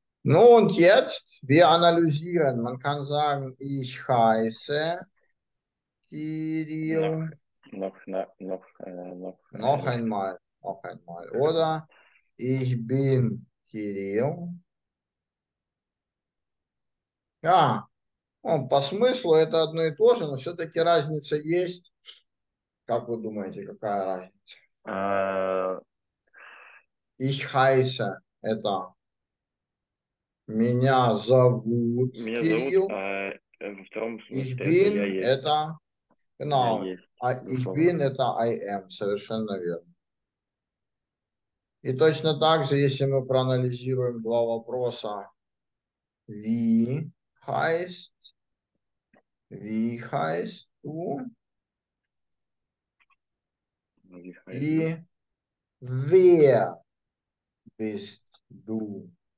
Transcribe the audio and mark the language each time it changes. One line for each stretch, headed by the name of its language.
German: Ну, und jetzt wir analysieren. Man kann sagen, ich heiße Кирилл. Noch einmal. Oder ich bin Кирилл.
Russian: Ja, ну, по смыслу это одно и то же, но все-таки разница есть. Как вы думаете, какая разница?
German: Ich heiße это...
Russian: Меня зовут меня Кирилл. Зовут, в том смысле,
German: ich bin это... Genau. Ich bin это
English: I am.
Russian: Совершенно верно. И точно так же, если мы проанализируем два вопроса.
German: Wie heißt du? И wer bist du?